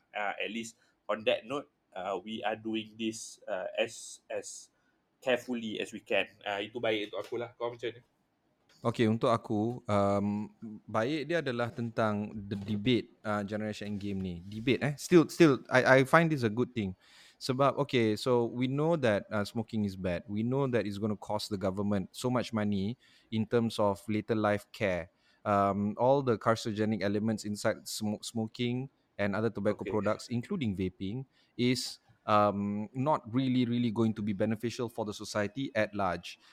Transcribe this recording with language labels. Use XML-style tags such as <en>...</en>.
<en>At least on that note, we are doing this as carefully as we can.</en> <ms>Itu baik untuk akulah. Kau macam mana? Okay, untuk aku, baik dia adalah tentang</ms> <en>the debate, generation game</en> <ms>ni.</ms> <en>Debate eh. Still, I find this a good thing.</en> <ms>Sebab,</ms> <en>okay, so we know that smoking is bad. We know that it's going to cost the government so much money in terms of later life care. All the carcinogenic elements inside smoking and other tobacco products, including vaping, is not really, really going to be beneficial for the society at large.</en>